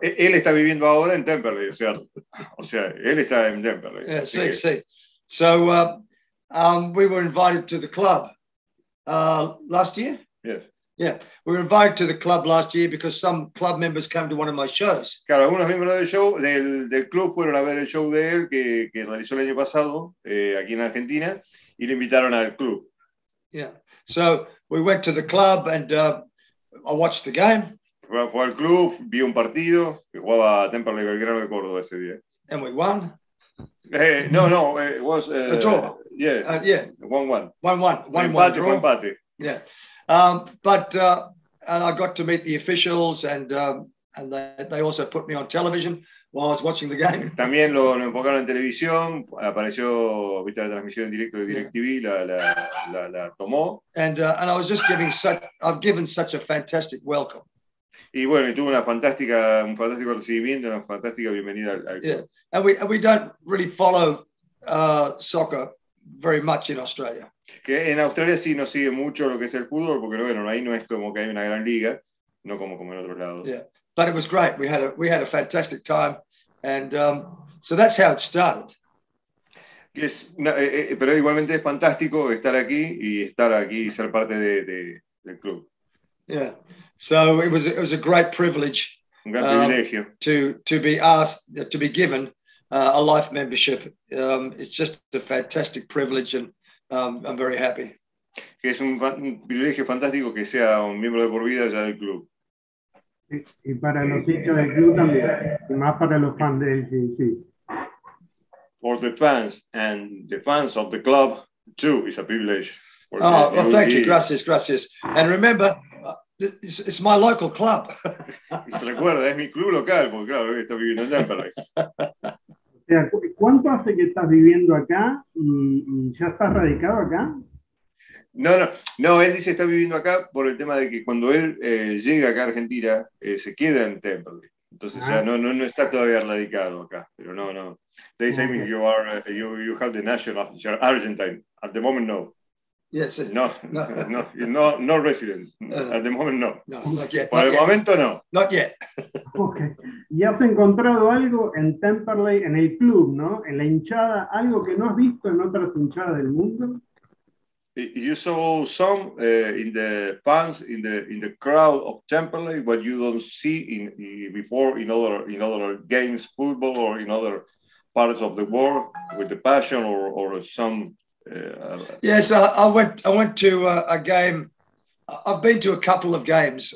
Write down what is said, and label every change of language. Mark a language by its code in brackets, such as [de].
[es] Él está viviendo ahora en Temperley, ¿cierto? O sea, él está en Temperley. [en] So we were invited to the club last year. Yes. Yeah, we were invited to the club last year because some club members came to one of my shows. [es] Claro, algunos miembros del club fueron a ver el show de él que realizó el año pasado aquí en Argentina y le invitaron al club. [en] Yeah. So we went to the club and I watched the game. [es] Fue al club, vi un partido que jugaba Temperley Belgrano de Córdoba ese día. [en] And we won. A draw. Yeah. 1-1. [es] Empate. Yeah. [en] And I got to meet the officials and they also put me on television while I was watching the game. [es] También lo enfocaron en televisión. Apareció, viste, la transmisión en directo de DirecTV, la tomó. [en] And I was just I've given such a fantastic welcome. [es] Y bueno, y tuvo una fantástica, un fantástico recibimiento, una fantástica bienvenida al club. [en] Yeah. And we don't really follow soccer very much in Australia. [es] Que en Australia sí nos sigue mucho lo que es el fútbol, porque bueno, ahí no es como que hay una gran liga, no como en otros lados. [en] Yeah. But it was great. We had a fantastic time, and so that's how it started. Yes. [es] No, pero igualmente es fantástico estar aquí y estar aquí y ser parte del club. [en] Yeah. So it was a great privilege to be given a life membership. It's just a fantastic privilege, and I'm very happy. [es] Es un privilegio fantástico que sea un miembro de por vida ya del club. Y para los hinchas del club también, y más para los fans del Acdc. [en] For the fans and the fans of the club too, it's a privilege. Thank you, gracias. And remember, it's my local club. [es] Recuerda, es mi club local, porque claro, estoy viviendo en Temperley. O sea, ¿cuánto hace que estás viviendo acá y ya estás radicado acá? No, él dice que está viviendo acá por el tema de que cuando él llega acá a Argentina, se queda en Temperley. Entonces ya no está todavía radicado acá, pero no. [en] They say you have the national of Argentine. At the moment, no. Yes. No resident. At the moment, no. No, not yet. [es] Por [en] not [es] el [en] yet. [es] Momento, no. [en] Not yet. [es] Okay. Y has encontrado algo en Temperley, en el club, ¿no? En la hinchada, algo que no has visto en otras hinchadas del mundo. [en] You saw some in the fans in the crowd of Temperley, what you don't see before in other games, football or in other parts of the world, with the passion or some. Yes, I went to a game. I've been to a couple of games.